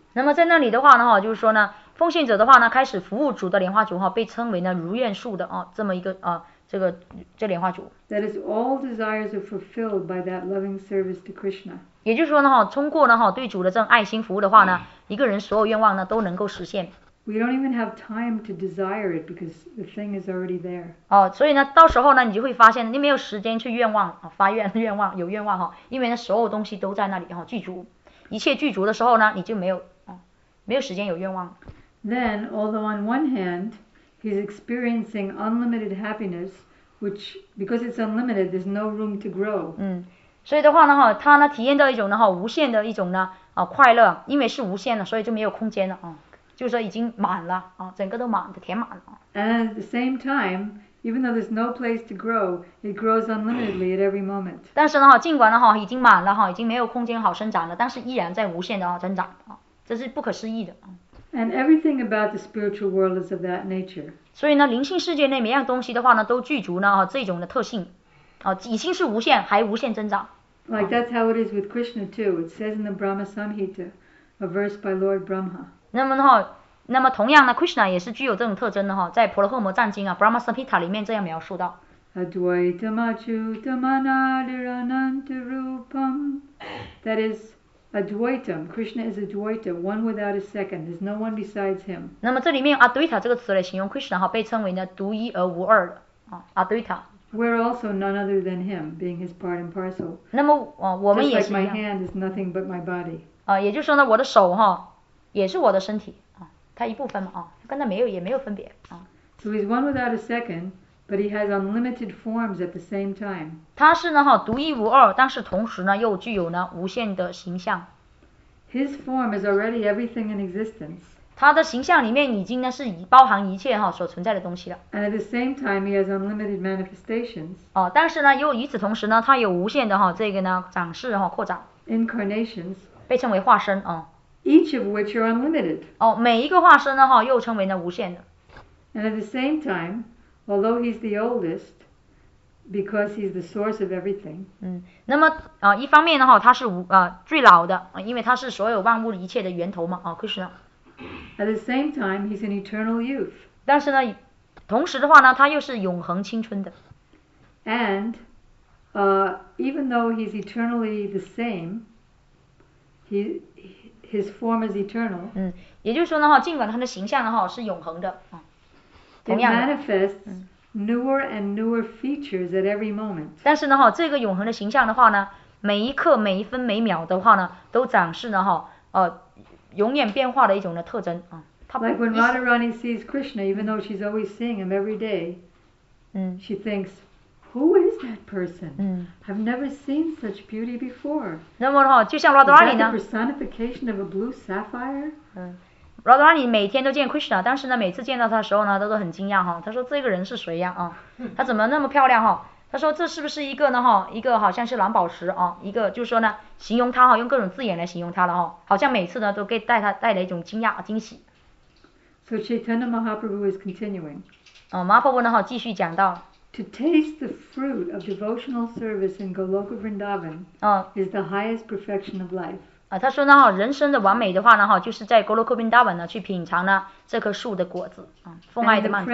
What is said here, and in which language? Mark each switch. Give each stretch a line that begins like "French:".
Chinese: 那么在那里的话呢，哈，就是说呢，奉献者的话呢，开始服务主的莲花主哈，被称为呢如愿树的啊，这么一个啊，这莲花主。
English: That is all desires are fulfilled by that loving service to Krishna.
Chinese: 也就是说呢，哈，通过呢，哈，对主的这种爱心服务的话呢，一个人所有愿望呢都能够实现。
English: We don't even have time to desire it because the thing is already there.
Chinese: 所以呢，到时候呢，你就会发现你没有时间去愿望啊，发愿愿望有愿望哈，因为呢，所有东西都在那里哈，具足，一切具足的时候呢，你就没有没有时间有愿望。
English: Then, although on one hand, he's experiencing unlimited happiness, which because it's unlimited, there's no room to grow.
Chinese: 所以的话呢，他呢体验到一种呢无限的一种呢快乐，因为是无限的，所以就没有空间了就是已经满了整个都满的填满了。
English: And at the same time, even though there's no place to grow, it grows unlimitedly at every moment.
Chinese: 但是呢尽管呢已经满了已经没有空间好生长了，但是依然在无限的增长这是不可思议的。
English: And everything about the spiritual world is of that nature.
Chinese: 所以呢，灵性世界内每样东西的话呢，都具足呢这种的特性，已经是无限，还无限增长。
English: Like that's how it is with Krishna too. It says in the Brahma Samhita, a verse by Lord Brahma.
Chinese: 那么同样呢 ，Krishna 也是具有这种特征的哈，在《婆罗诃摩赞经》啊，《Brahma Samhita》里面这样描述到。
Sanskrit: Advaitam Achyutam Anadirananta Rupam.
English: That is Advaitam. Krishna is Advaita, one without a second. There's no one besides him.
Chinese: 那么这里面 Advaita 这个词来形容 Krishna 哈，被称为呢独一而无二的啊 ，Advaita。
English: We're also none other than him, being his part and parcel.
Chinese: 那么我们也是。
English: Just like my hand is nothing but my body.
Chinese: 啊，也就是说呢，我的手哈，也是我的身体啊，它一部分嘛啊，跟它没有也没有分别啊。
English: So he's one without a second, but he has unlimited forms at the same time.
Chinese: 他是呢哈，独一无二，但是同时呢又具有呢无限的形象。
English: His form is already everything in existence.
Chinese: 他的形象里面已经呢是以包含一切哈所存在的东西了。
English: And at the same time, he has unlimited manifestations.
Chinese: 哦，但是呢又与此同时呢，他有无限的哈这个呢展示哈扩展。
English: Incarnations.
Chinese: 被称为化身啊。
English: Each of which are unlimited.
Chinese: 哦，每一个化身呢哈又称为呢无限的。
English: And at the same time, although he's the oldest, because he's the source of everything.
Chinese: 嗯，那么啊一方面呢哈他是无啊最老的啊，因为他是所有万物一切的源头嘛啊，Krishna。
English: At the same time, he's an eternal youth.
Chinese: 但是呢，同时的话呢，他又是永恒青春的。
English: And, even though he's eternally the same, his form is eternal.
Chinese: 嗯，也就是说呢哈，尽管他的形象呢哈是永恒的啊，同样的。
English: It manifests newer and newer features at every moment.
Chinese: 但是呢哈，这个永恒的形象的话呢，每一刻、每一分、每秒的话呢，都展示呢哈，永远变化的一种的特征啊。
English: Like when Radharani sees Krishna, even though she's always seeing him every day, she thinks, "Who is that person? I've never seen such beauty before."
Chinese: 那么哈，就像 Radharani 呢
English: ？Is that the personification of a blue sapphire?
Chinese: Radharani 每天都见 Krishna, 但是呢，每次见到他的时候呢，都很惊讶哈。他说：“这个人是谁呀？啊，他怎么那么漂亮哈？” 他说：“这是不是一个呢？哈，一个好像是蓝宝石啊，一个就是说呢，形容他哈，用各种字眼来形容他了哈，好像每次呢都给带他带来一种惊讶惊喜。”
English: So Chaitanya Mahaprabhu is continuing.
Chinese: 哦，马婆婆呢哈继续讲到。
English: To taste the fruit of devotional service in Goloka Vrindavan is the highest perfection of life.
Chinese: 啊，他说呢哈，人生的完美的话呢哈，就是在 Goloka Vrindavan 呢去品尝呢这棵树的果子啊，奉爱的曼陀。